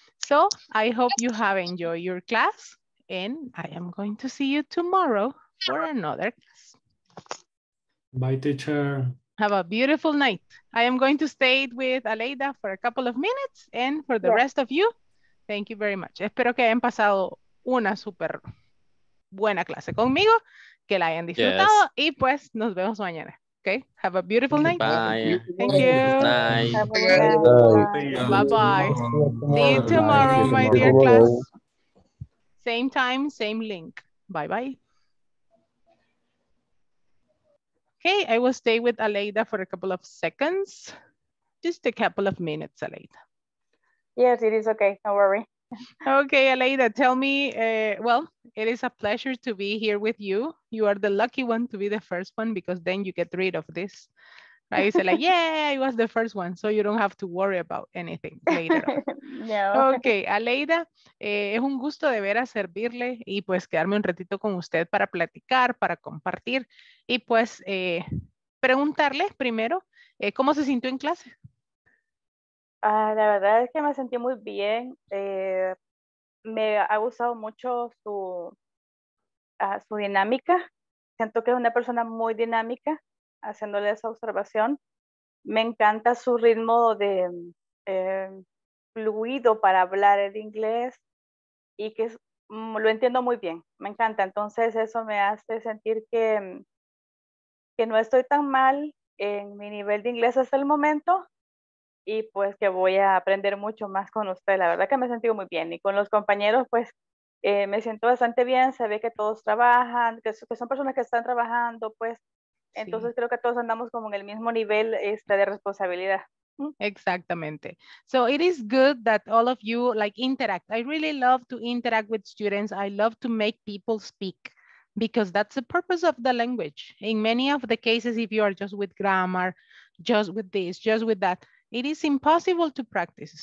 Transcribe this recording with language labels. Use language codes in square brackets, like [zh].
[en] So I hope you have enjoyed your class and I am going to see you tomorrow for another class. Bye, teacher. Have a beautiful night. I am going to stay with Aleida for a couple of minutes and for the rest of you, thank you very much. [es] Espero que hayan pasado una super buena clase conmigo, que la hayan disfrutado y pues nos vemos mañana. [en] Okay, have a beautiful night. Bye. Thank you. Bye. Bye bye. See you tomorrow, my dear class. Same time, same link. Bye bye. Okay, I will stay with Aleida for a couple of seconds. Just a couple of minutes, Aleida. Yes, it is okay. Don't worry. Okay, Aleida, tell me, well, it is a pleasure to be here with you. You are the lucky one to be the first one because then you get rid of this. Right? You say like, yeah, it was the first one. So you don't have to worry about anything later on. No. [es] Okay, Aleida, es un gusto de ver a servirle y pues quedarme un ratito con usted para platicar, para compartir y pues preguntarle primero, ¿cómo se sintió en clase? La verdad es que me sentí muy bien. Me ha gustado mucho su dinámica. Siento que es una persona muy dinámica haciéndole esa observación. Me encanta su ritmo de fluido para hablar el inglés y que es, lo entiendo muy bien. Me encanta. Entonces eso me hace sentir que no estoy tan mal en mi nivel de inglés hasta el momento. Y pues que voy a aprender mucho más con usted. La verdad que me he sentido muy bien. Y con los compañeros, pues, me siento bastante bien. Se ve que todos trabajan, que son personas que están trabajando, pues. Entonces, sí, creo que todos andamos como en el mismo nivel de responsabilidad. Exactamente. [en] So, it is good that all of you, like, interact. I really love to interact with students. I love to make people speak. Because that's the purpose of the language. In many of the cases, if you are just with grammar, just with this, just with that, it is impossible to practice.